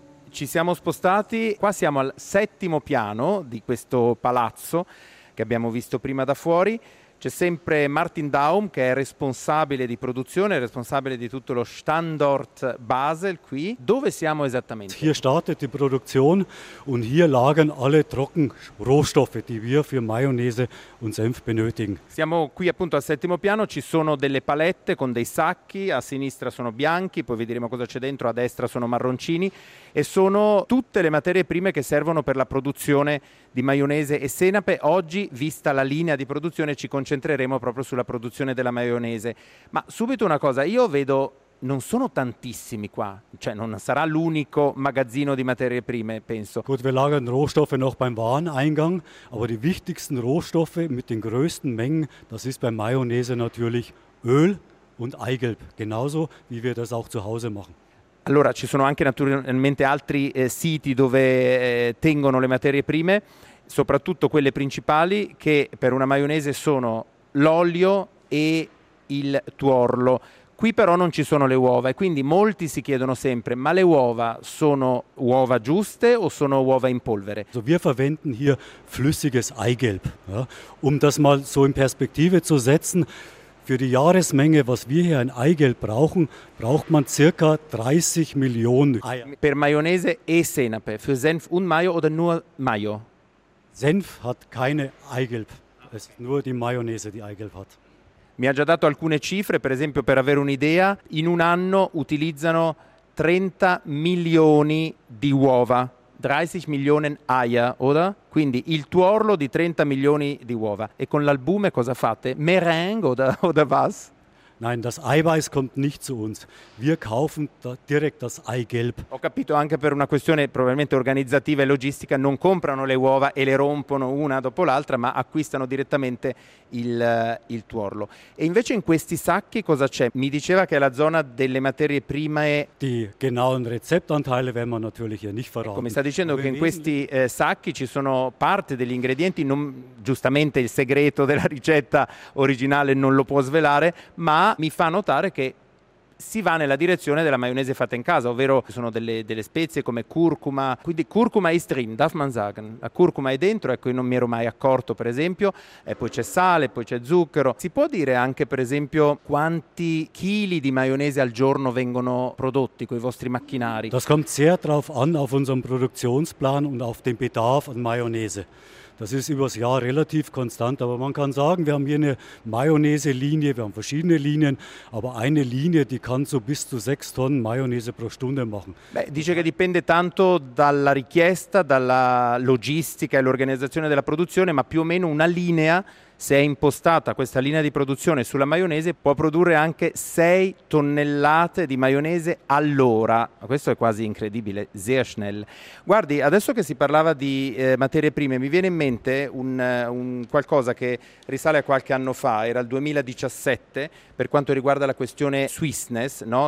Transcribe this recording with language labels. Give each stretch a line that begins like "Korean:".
Italian: ci siamo spostati, qua siamo al settimo piano di questo palazzo che abbiamo visto prima da fuori. C'è sempre Martin Daum, che è responsabile di produzione, responsabile di tutto lo Standort Basel qui. Dove siamo esattamente?
German: Hier startet die Produktion und hier lagern alle Trockenrohstoffe, die wir für Mayonnaise und Senf benötigen.
Italian: Siamo qui appunto al settimo piano, ci sono delle palette con dei sacchi, a sinistra sono bianchi, poi vedremo cosa c'è dentro, a destra sono marroncini e sono tutte le materie prime che servono per la produzione di maionese e senape. Oggi, vista la linea di produzione, ci concentreremo proprio sulla produzione della maionese. Ma subito una cosa, io vedo, non sono tantissimi qua, cioè non sarà l'unico magazzino di materie prime, penso.
German: Gut, wir lagern Rohstoffe noch beim Wareneingang, aber die wichtigsten Rohstoffe mit den größten Mengen, das ist bei Mayonnaise natürlich Öl und Eigelb, genauso wie wir das auch zu Hause machen.
Italian: Allora, ci sono anche naturalmente altri siti dove tengono le materie prime, soprattutto quelle principali, che per una maionese sono l'olio e il tuorlo. Qui però non ci sono le uova e quindi molti si chiedono sempre, ma le uova sono uova giuste o sono uova in polvere?
German: Also wir verwenden hier flüssiges Eigelb, ja, um das mal so in Perspektive zu setzen. Für die Jahresmenge, was wir hier in Eigelb brauchen, braucht man circa 30 Millionen Eier.
Italian: Per Mayonnaise e Senape,
German: für Senf und Mayo oder nur Mayo? Senf hat keine Eigelb, es ist nur die Mayonnaise, die Eigelb hat.
Italian: Mi ha già dato alcune cifre, per esempio per avere un'idea, in un anno utilizzano 30 milioni di uova. 30 milioni
German: Eier, oder?
Italian: Quindi il tuorlo di 30 milioni di uova. E con l'albume cosa fate? Meringue
German: oder was? Nein, das Eiweiß kommt nicht zu uns. Wir kaufen direkt das Eigelb.
Italian: Ho capito, anche per una questione probabilmente organizzativa e logistica, non comprano le uova e le rompono una dopo l'altra, ma acquistano direttamente il tuorlo. E invece in questi sacchi cosa c'è? Mi diceva che è la zona delle materie prime.
German: Die genauen Rezeptanteile werden wir natürlich hier nicht verraten.
Italian: Come sta dicendo, aber che in questi sacchi ci sono parte degli ingredienti, non, giustamente il segreto della ricetta originale non lo può svelare, ma mi fa notare che si va nella direzione della maionese fatta in casa, ovvero sono delle spezie come curcuma, quindi curcuma
German: ist drin, darf man sagen.
Italian: La curcuma è dentro, ecco, io non mi ero mai accorto, per esempio, e poi c'è sale, poi c'è zucchero. Si può dire anche, per esempio, quanti chili di maionese al giorno vengono prodotti con i vostri macchinari?
German: Das kommt sehr drauf an auf unseren Produktionsplan und auf den Bedarf an Mayonnaise. Das ist übers Jahr relativ konstant, aber man kann sagen, wir haben hier eine Mayonnaise-Linie, wir haben verschiedene Linien, aber eine Linie, die kann so bis zu 6 Tonnen Mayonnaise pro Stunde machen.
Italian: Beh, dice che dipende tanto dalla richiesta, dalla logistica e l'organizzazione della produzione, ma più o meno una linea, se è impostata questa linea di produzione sulla maionese, può produrre anche 6 tonnellate di maionese all'ora. Questo è quasi incredibile,
German: sehr schnell.
Italian: Guardi, adesso che si parlava di materie prime, mi viene in mente un qualcosa che risale a qualche anno fa, era il 2017, per quanto riguarda la questione Swissness, no?